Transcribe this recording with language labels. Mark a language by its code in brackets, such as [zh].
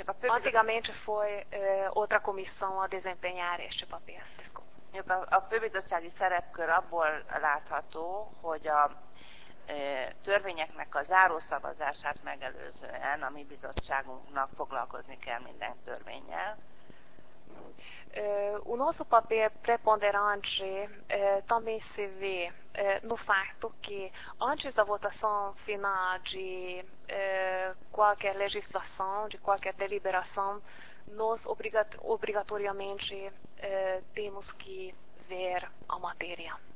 [pt] Antigamente foi outra comissão a desempenhar este papel. [hu] A főbizottsági szerepkör abból látható, hogy a törvényeknek a zárószavazását megelőzően a mi bizottságunknak foglalkozni kell minden törvénnyel. [pt] O nosso papel preponderante também se vê no facto que antes da votação final de qualquer legislação, de qualquer deliberação, nós obrigatoriamente temos que ver a matéria.